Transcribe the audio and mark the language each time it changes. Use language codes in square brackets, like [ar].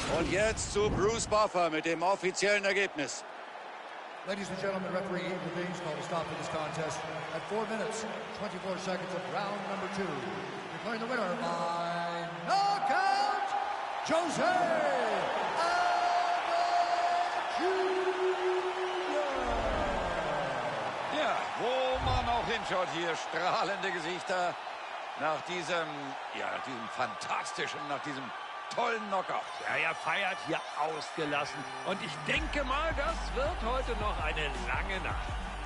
[de] Jetzt zu Bruce Buffer mit dem offiziellen Ergebnis. [en] Ladies and gentlemen, referee Ian Levine's called a stop in this contest at 4 minutes, 24 seconds of round number 2. Declaring the winner by knockout, Jose Aldo Jr. [de] Ja, wo man auch hinschaut hier, strahlende Gesichter nach diesem, ja, diesem fantastischen, nach diesem tollen Knockout. Ja, er feiert hier ausgelassen. Und ich denke mal, das wird heute noch eine lange Nacht.